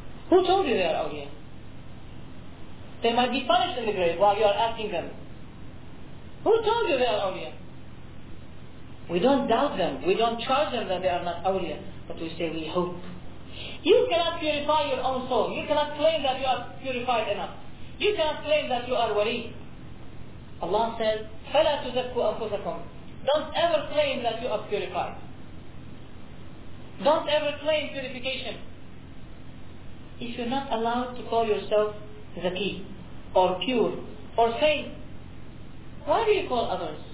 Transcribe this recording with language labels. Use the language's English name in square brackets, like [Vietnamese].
[English] Who told you they are awliya? They might be punished in the grave while you are asking them. Who told you they are awliya? We don't doubt them. We don't charge them that they are not awliya. But we say we hope. You cannot purify your own soul. You cannot claim that you are purified enough. You cannot claim that you are wali. Allah says, [Arabic] فَلَا تُزَكُّ أَنفُسَكُمْ. [English] Don't ever claim that you are purified. Don't ever claim purification. If you're not allowed to call yourself zaki, or pure, or saint, why do you call others?